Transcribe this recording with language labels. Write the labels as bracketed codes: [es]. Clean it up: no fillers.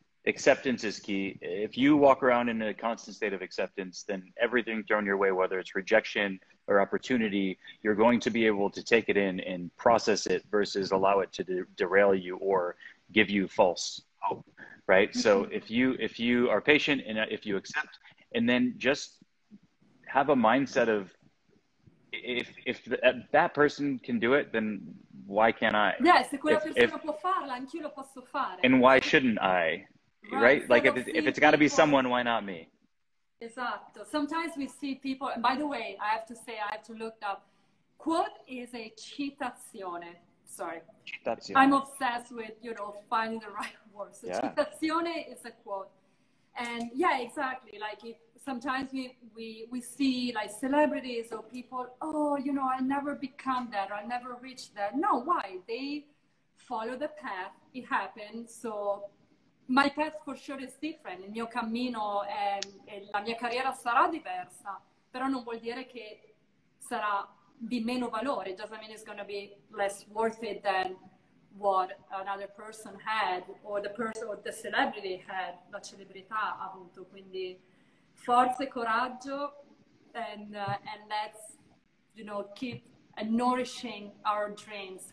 [en] Acceptance is key. If you walk around in a constant state of acceptance, then everything thrown your way, whether it's rejection or opportunity, you're going to be able to take it in and process it versus allow it to derail you or give you false hope, right? Mm-hmm. So if you are patient and if you accept, and then just have a mindset of, If that person can do it, then why can't I? Yeah, [it] se quella persona può farla, anch'io lo posso fare. [en] And why shouldn't I? Right? Like, if it's got to be someone, why not me? [it] Esatto. [en] Sometimes we see people, and by the way, I have to look up. Quote is a citazione. Sorry. [it] Citazione. [en] I'm obsessed with, you know, finding the right words. So yeah. Citazione is a quote. And yeah, exactly. Like sometimes we see like celebrities or people, oh, you know, I'll never become that. Or I'll never reach that. No, why? They follow the path. It happened. So my path for sure is different. [it] Il mio cammino e la mia carriera sarà diversa. Però non vuol dire che sarà di meno valore. [en] It doesn't mean it's going to be less worth it than what another person had, or the person, or the celebrity had, [it] la celebrità ha avuto. Quindi forza e coraggio, [en] and let's, you know, keep nourishing our dreams.